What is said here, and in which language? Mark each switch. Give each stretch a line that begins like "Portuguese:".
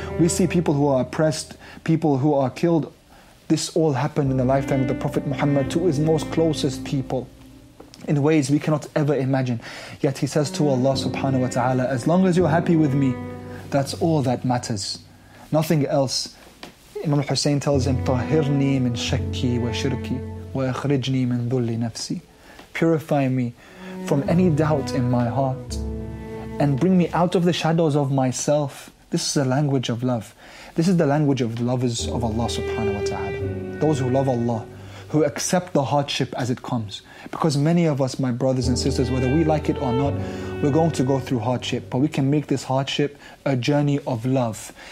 English: We see people who are oppressed, people who are killed. This all happened in the lifetime of the Prophet Muhammad to his most closest people in ways we cannot ever imagine. Yet he says to Allah subhanahu wa ta'ala, as long as you're happy with me, that's all that matters. Nothing else. Imam al-Hussein tells him,
Arabic: طَهِرْنِي مِنْ شَكِّي وَشِرْكِي وَأَخْرِجْنِي مِنْ ذُلِّ نَفْسِي.
English: Purify me from any doubt in my heart and bring me out of the shadows of myself. This is the language of love. This is the language of the lovers of Allah subhanahu wa ta'ala. Those who love Allah, who accept the hardship as it comes. Because many of us, my brothers and sisters, whether we like it or not, we're going to go through hardship, but we can make this hardship a journey of love.